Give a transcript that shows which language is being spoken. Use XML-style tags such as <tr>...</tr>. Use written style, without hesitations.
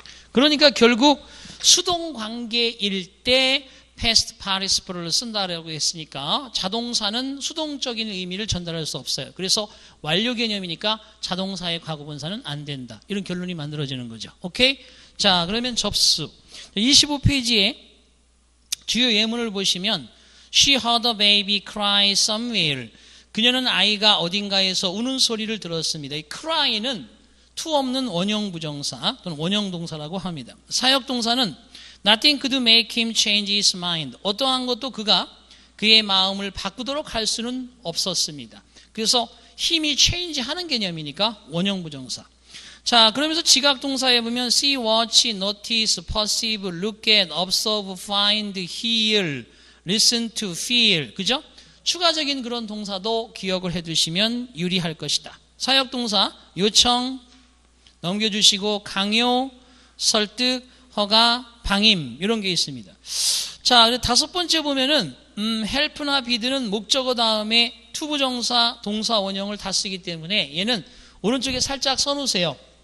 <ko>그러니까 결국 수동관계일 때 패스트 파티시플을 쓴다라고 했으니까 자동사는 수동적인 의미를 전달할 수 없어요. 그래서 완료 개념이니까 자동사의 과거분사는 안 된다. 이런 결론이 만들어지는 거죠. 오케이? 자, 그러면 접수. 25페이지에 주요 예문을 보시면</ko> <en>She heard a baby cry somewhere.</en> <ko>그녀는 아이가 어딘가에서 우는 소리를 들었습니다. 이 cry는 to 없는 원형 부정사 또는 원형 동사라고 합니다. 사역 동사는</ko> <en>Nothing could make him change his mind.</en> <ko>어떠한 것도 그가 그의 마음을 바꾸도록 할 수는 없었습니다. 그래서 힘이 change 하는 개념이니까 원형 부정사. 자, 그러면서 지각 동사에 보면</ko> <en>see, watch, notice, perceive, look at, observe, find, hear, listen to, feel.</en> <ko>그죠? 추가적인 그런 동사도 기억을 해 두시면 유리할 것이다. 사역 동사 요청 넘겨 주시고 강요, 설득, 허가, 방임 이런 게 있습니다. 자, 다섯 번째 보면은 help나 be는 목적어 다음에 투부정사 동사 원형을 다 쓰기 때문에 얘는 오른쪽에 살짝 써놓으세요.</ko>